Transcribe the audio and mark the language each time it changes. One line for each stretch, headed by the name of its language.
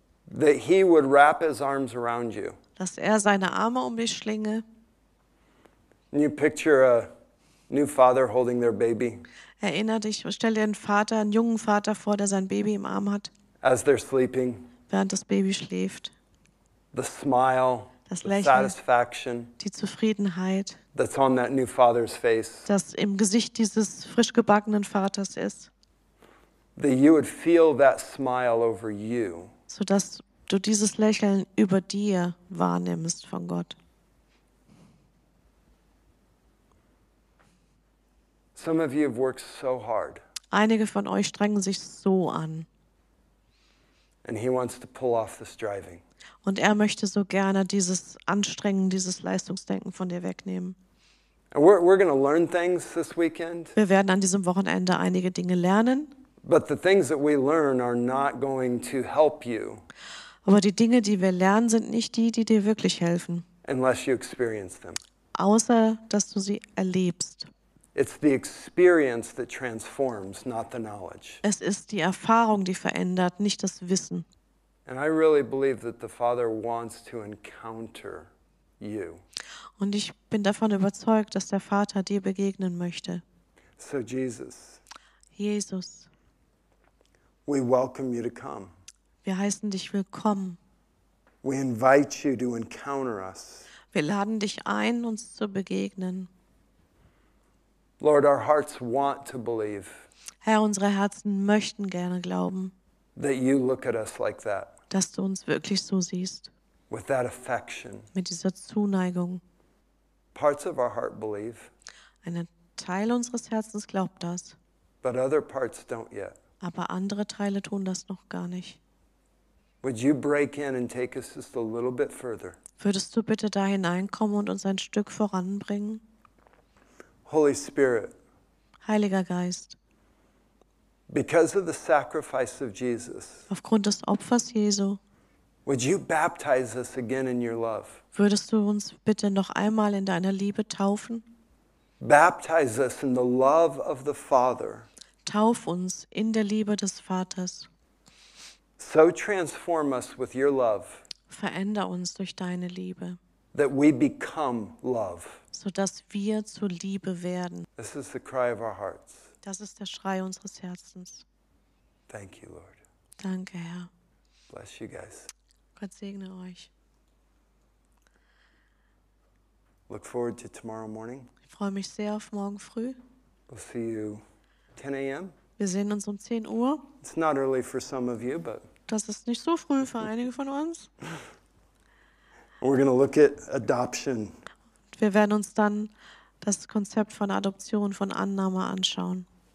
English: That he would wrap his arms around you.
German: Dass er seine Arme um dich schlinge.
English: And you picture a new father holding their baby.
German: Erinnere dich, stell dir einen jungen Vater vor, der sein Baby im Arm hat.
English: As they're sleeping.
German: Während das Baby schläft.
English: The smile.
German: Das Lächeln.
English: The satisfaction.
German: Die Zufriedenheit.
English: That's on that new father's face.
German: Das im Gesicht dieses frisch gebackenen Vaters ist.
English: That you would feel that smile over you.
German: So dass du dieses Lächeln über dir wahrnimmst von Gott.
English: Some of you have worked so hard.
German: Einige von euch strengen sich so an.
English: And he wants to pull off this driving.
German: Und er möchte so gerne dieses Anstrengen, dieses Leistungsdenken von dir wegnehmen.
English: And we're going to learn things this weekend.
German: Wir werden an diesem Wochenende einige Dinge lernen.
English: But the things that we learn are not going to help you.
German: Aber die Dinge, die wir lernen, sind nicht die, die dir wirklich helfen.
English: Unless you experience them.
German: Außer dass du sie erlebst.
English: It's the experience that transforms, not the knowledge.
German: Es ist die Erfahrung, die verändert, nicht das Wissen.
English: And I really believe that the Father wants to encounter you.
German: Und ich bin davon überzeugt, dass der Vater dir begegnen möchte.
English: So Jesus.
German: Jesus.
English: We welcome you to come.
German: Wir heißen dich willkommen.
English: We invite you to encounter us.
German: Wir laden dich ein, uns zu begegnen.
English: Lord, our hearts want to believe.
German: Herr, unsere Herzen möchten gerne glauben.
English: That you look at us like that.
German: Dass du uns wirklich so siehst.
English: With that affection.
German: Mit dieser Zuneigung.
English: Parts of our heart believe.
German: Ein Teil unseres Herzens glaubt das.
English: But other parts don't yet.
German: Aber andere Teile tun das noch gar nicht.
English: Would you break in and take us just a little bit further?
German: Würdest du bitte da hineinkommen und uns ein Stück voranbringen?
English: Holy Spirit,
German: Heiliger Geist,
English: because of the sacrifice of Jesus,
German: aufgrund des Opfers Jesu,
English: would you baptize us again in your love?
German: Würdest du uns bitte noch einmal in deiner Liebe taufen?
English: Baptize us in the love of the Father.
German: Tauf uns in der Liebe des Vaters.
English: So transform us with your love.
German: Veränder uns durch deine Liebe.
English: That we become love.
German: Sodass wir zur Liebe werden.
English: This is the cry of our hearts.
German: Das ist der Schrei unseres Herzens.
English: Thank you, Lord.
German: Danke, Herr.
English: Bless you guys.
German: Gott segne euch.
English: Look forward to tomorrow morning.
German: Ich freue mich sehr auf morgen früh.
English: We'll see you 10 a.m.
German: Wir sehen uns um 10 Uhr.
English: It's not early for some of you, but
German: das ist nicht so früh für einige von uns.
English: We're going to look at adoption.
German: Wir werden uns dann das Konzept von Adoption, von Annahme anschauen.